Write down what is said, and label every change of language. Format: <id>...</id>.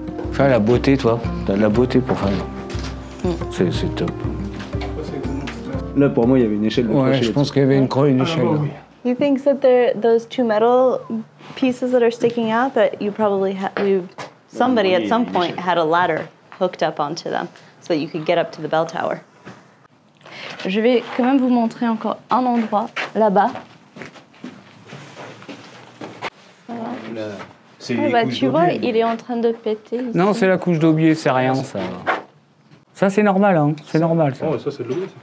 <fr>Enfin, la beauté, toi, t'as de la beauté pour faire. C'est top. Là, pour moi, il y avait une échelle. De ouais, je pense qu'il y avait une croix, une échelle.</fr> <en>You think that there, those two metal pieces that are sticking out, that you probably had, somebody at some point had a ladder hooked up onto them, so that you could get up to the bell tower.</en> <fr>Je vais quand même vous montrer encore un endroit là-bas. Tu vois, il est en train de péter. Ici. Non, c'est la couche d'aubier, c'est rien, ça. Ça, c'est normal, hein. C'est normal, ça. Oh, ça, c'est de l'aubier, ça.</fr>